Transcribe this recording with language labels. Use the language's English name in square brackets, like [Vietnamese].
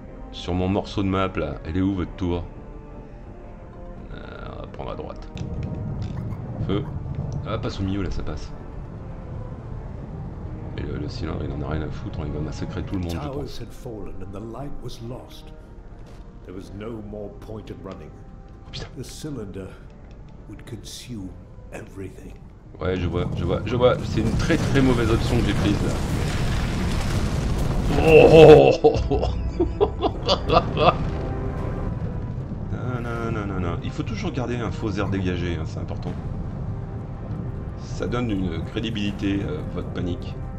[French] Sur mon morceau de map, là, elle est où, votre tour? On va prendre à droite. Feu. Ah, passe au milieu, là, ça passe. Et le cylindre, il en a rien à foutre, hein, il va massacrer tout le monde, je pense. [English] The cylinder would consume everything. [French] Ouais, je vois, c'est une très très mauvaise option que j'ai prise là. Oh non. Il faut toujours garder un faux air dégagé, hein, c'est important. Ça donne une crédibilité à votre panique.